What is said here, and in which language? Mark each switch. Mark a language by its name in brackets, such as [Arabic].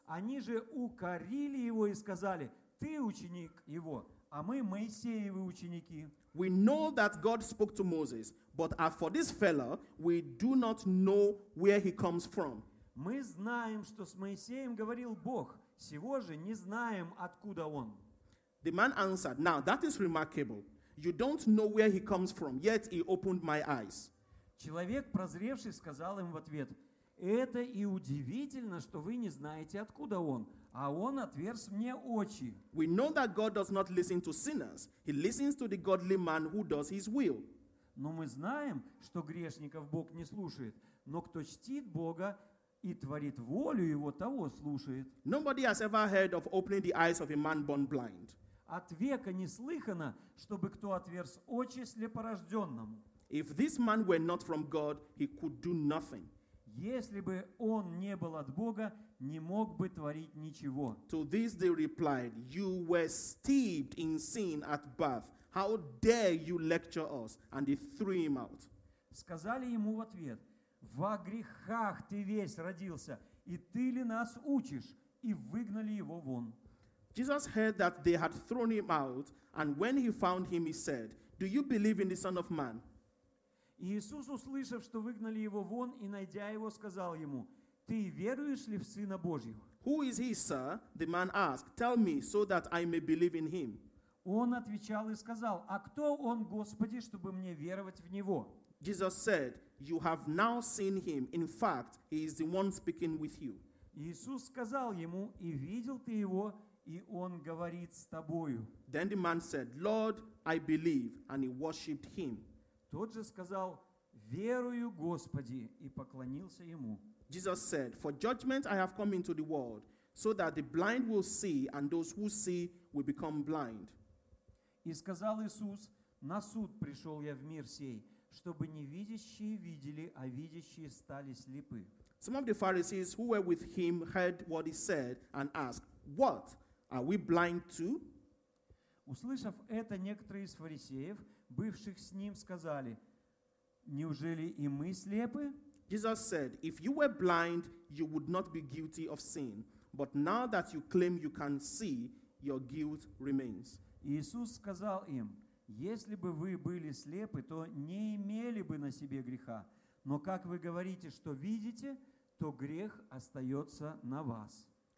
[Russian] Они же укорили его и сказали, ты ученик его, а мы Моисеевы ученики. [English] We know that God spoke to Moses, but as for this fellow, we do not know where he comes from. [Russian] Мы знаем, что с Моисеем говорил Бог, сего же не знаем, откуда он. [English] The man answered, now that is remarkable. You don't know where he comes from, yet he opened my eyes. [Russian] Человек, прозревший, сказал им в ответ, это и удивительно, что вы не знаете, откуда он, а он отверз мне очи. [English] We know that God does not listen to sinners. He listens to the godly man who does his will. [Russian] Но мы знаем, что грешников Бог не слушает, но кто чтит Бога и творит волю Его, того слушает. [English] Nobody has ever heard of opening the eyes of a man born blind. [Russian] От века не слыхано, чтобы кто отверз очи слепорожденному. [English] If this man were not from God, he could do nothing. [Russian] Если бы он не был от Бога, не мог бы творить ничего. [English] To this they replied, you were steeped in sin at birth. How dare you lecture us? And they threw him out. [Russian] Сказали ему в ответ, во грехах ты весь родился, и ты ли нас учишь? И выгнали его вон. [English] Jesus heard that they had thrown him out, and when he found him, he said, do you believe in the Son of Man? [Russian] Иисус, услышав, что выгнали его вон, и найдя его, сказал ему, ты веруешь ли в Сына Божьего? [English] Who is he, sir? The man asked. Tell me, so that I may believe in him. [Russian] Он отвечал и сказал, а кто он, Господи, чтобы мне веровать в Него? [English] Jesus said, you have now seen him. In fact, he is the one speaking with you. [Russian] Иисус сказал ему, и видел ты его, и он говорит с тобою. [English] Then the man said, Lord, I believe, and he worshipped him. [Russian] Тот же сказал, верую, Господи, и поклонился ему. [English] Jesus said, for judgment I have come into the world, so that the blind will see, and those who see will become blind. [Russian] И сказал Иисус, на суд пришел я в мир сей, чтобы невидящие видели, а видящие стали слепы. [English] Some of the Pharisees who were with him heard what he said and asked, what, are we blind too? [Russian] Услышав это, некоторые из фарисеев, бывших с ним, сказали, неужели и мы слепы? [English] Jesus said, if you were blind, you would not be guilty of sin. But now that you claim you can see, your guilt remains. [Russian] Иисус сказал им, если бы вы были слепы, то не имели бы на себе греха. Но как вы говорите, что видите, то грех остается на вас.